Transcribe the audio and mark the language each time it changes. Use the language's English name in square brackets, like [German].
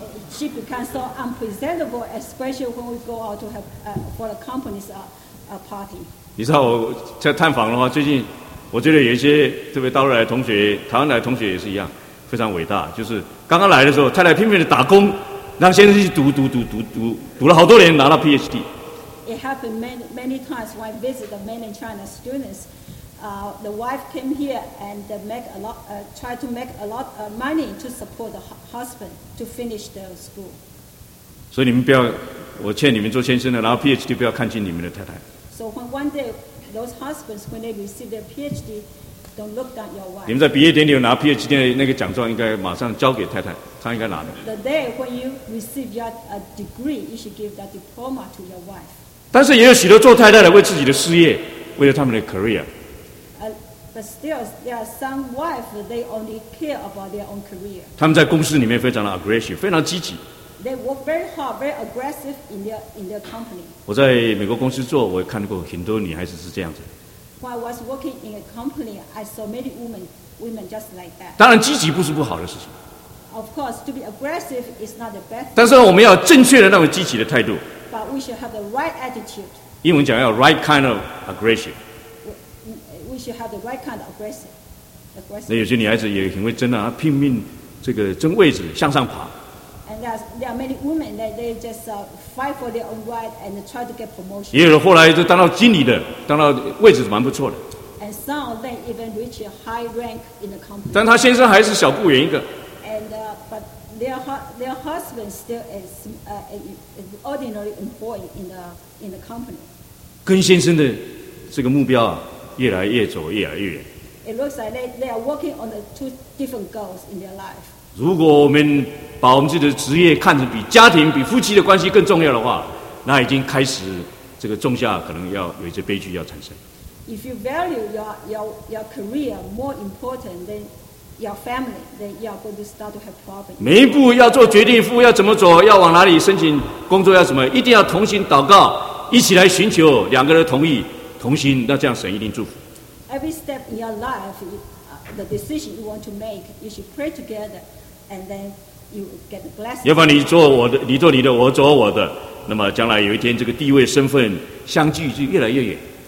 [English] She becomes so unpresentable, especially when we go out to have for the company's party. [Chinese] 你知道我在探访的话，最近我觉得有一些特别大陆来的同学、台湾来的同学也是一样，非常伟大。就是刚刚来的时候，太太拼命的打工，让先生去读了好多年，拿到 PhD. [English] It happened many times when I visit the mainland China students. The wife came here and tried to make a lot of money to support the husband to finish their school. [Chinese] 所以你们不要，我劝你们做先生的，然后 PhD 不要看轻你们的太太。 [English] So when one day those husbands when they receive their PhD, don't look down your wife. [Chinese] 你们在毕业典礼拿 PhD 的那个奖状，应该马上交给太太，她应该拿的。 [English] The day when you receive your degree, you should give that diploma to your wife. [Chinese] 但是也有许多做太太的为自己的事业，为了他们的 career。 [English] But still, there are some wives that they only care about their own career. [Chinese] 他们在公司里面非常的 aggressive， 非常积极。 [English] They work very hard, very aggressive in their company. [Chinese] 我在美国公司做，我看过很多女孩子是这样子。 [English] When I was working in a company, I saw many women just like that. [Chinese] 当然，积极不是不好的事情。 [English] Of course, to be aggressive is not the best. [Chinese] 但是我们要正确的那种积极的态度。 [English] But we should have the right attitude. [Chinese] 英文讲要 [English] right kind of aggressive. We should have the right kind of aggressive. [Chinese] 那有些女孩子也很会争啊，拼命这个争位置，向上爬。 [English] And there are many women that they just fight for their own right and try to get promotion. [Chinese] 也有的后来就当到经理的，当到位置是蛮不错的。 [English] And some of them even reach a high rank in the company. [Chinese] 但她先生还是小雇员一个。 [English] And but their husband still is an ordinary employee in the company. [Chinese] 跟先生的这个目标啊。越来越走，越来越远。 [English] It looks like they are working on the two different goals in their life. [Chinese] 如果我们把我们自己的职业看成比家庭、比夫妻的关系更重要的话，那已经开始这个种下可能要有一些悲剧要产生。 [English] If you value your career more important than your family, then you are going to start to have problems. [Chinese] 每一步要做决定，父母要怎么走，要往哪里申请工作，要什么，一定要同心祷告，一起来寻求两个人同意。同心，那这样神一定祝福。 [English] Every step in your life, the decision you want to make, you should pray together, and then you get the blessing. [Chinese] 要不然你做我的，你做你的，我做我的，那么将来有一天这个地位身份相距就越来越远。